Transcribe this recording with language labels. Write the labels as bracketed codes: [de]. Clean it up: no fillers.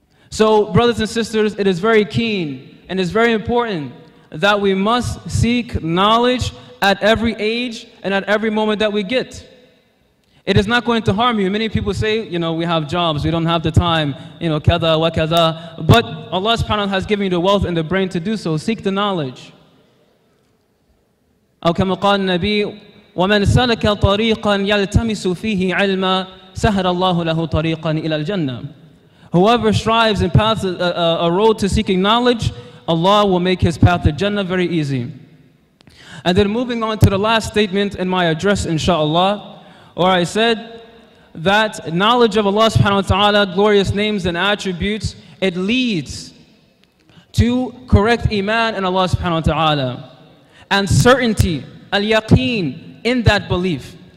[en] So, brothers and sisters, it is very keen and it's very important that we must seek knowledge at every age and at every moment that we get. It is not going to harm you. Many people say, you know, we have jobs, we don't have the time, you know, kada wa kada. But Allah subhanahu wa ta'ala has given you the wealth and the brain to do so. Seek the knowledge. [ar] أو كما قال النبي وَمَنْ سَلَكَ طَرِيقًا يَلْتَمِسُ فِيهِ عِلْمًا سَهَرَ اللَّهُ لَهُ طَرِيقًا إِلَى الْجَنَّةِ. [en] Whoever strives and paths a road to seeking knowledge, Allah will make his path to Jannah very easy. And then moving on to the last statement in my address, inshallah, where I said that knowledge of Allah subhanahu wa ta'ala, glorious names and attributes, it leads to correct iman in Allah subhanahu wa ta'ala and certainty, al-yaqeen, in that belief.